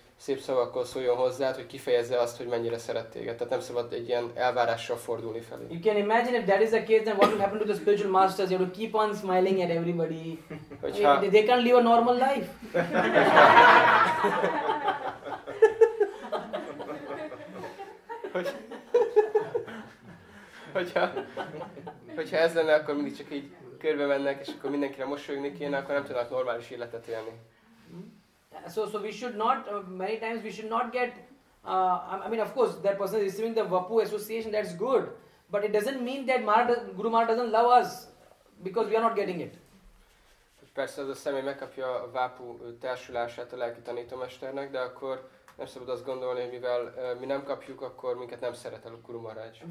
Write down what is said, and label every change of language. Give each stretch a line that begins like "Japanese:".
Hungarian: szép szavakkal szóljon hozzád, hogy kifejezze azt, hogy mennyire szeret téged. Tehát nem szabad egy ilyen elvárással fordulni felé.
English: You can imagine if that is the case, then what will happen to the spiritual masters? You have to keep on smiling at everybody.
Hungarian: Hogyha...
English: I mean, they can't live a normal life.
Hungarian: Hogyha ez lenne, akkor mindig csak így körbe mennek, és akkor mindenkire mosolyogni kéne, akkor nem tudnak normális életet élni.
English: So we should not, many times we should not get, I mean of course that person is receiving the Vapu association, that's good. But it doesn't mean that Guru Maharaj doesn't love us, because we are not getting it.
Hungarian: Persze az a személy megkapja a Vapu társulását a lelki tanítómesternek, de akkor nem szabad azt gondolni, hogy mivel mi nem kapjuk, akkor minket nem szeret el a Guru Maharaj.